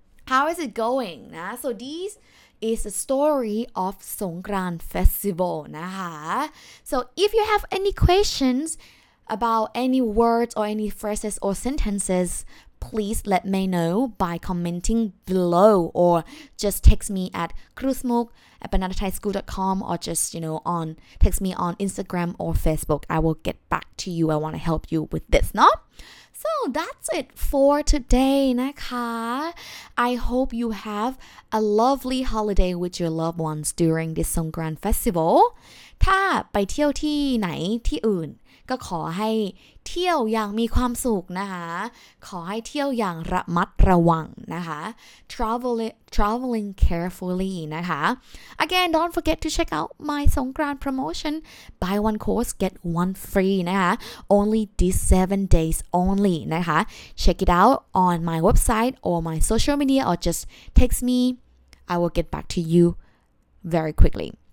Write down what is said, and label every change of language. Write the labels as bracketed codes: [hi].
[en] how is it going นะ so this is the story of สงกรานต์ festival [th] นะคะ [en] so if you have any questions about any words or any phrases or sentencesPlease let me know by commenting below or just text me at krusmoke@banatathaischool.com or just, you know, on text me on Instagram or Facebook. I will get back to you. I want to help you with this, no? So that's it for today, [th] นะคะ [en] I hope you have a lovely holiday with your loved ones during this Songkran festival. [th] ถ้าไปเที่ยวที่ไหนที่อื่นก็ขอให้เที่ยวอย่างมีความสุขนะคะขอให้เที่ยวอย่างระมัดระวังนะคะ [en] traveling carefully [th] นะคะ [en] again don't forget to check out my Songkran promotion buy one course get one free นะคะ only these 7 days only นะคะ check it out on my website or my social media or just text me I will get back to you very quickly